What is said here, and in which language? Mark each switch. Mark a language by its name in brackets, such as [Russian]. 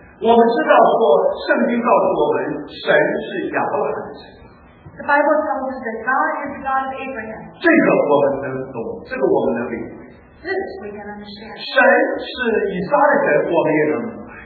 [Chinese] 我们知道说，圣经告诉我们，神是亚伯拉罕的神。 [English] The Bible tells us that God is God of Abraham. [Chinese] 这个我们能懂，这个我们能理解。 [English] This we can understand. [Chinese] 神是以撒的神，我们也能懂。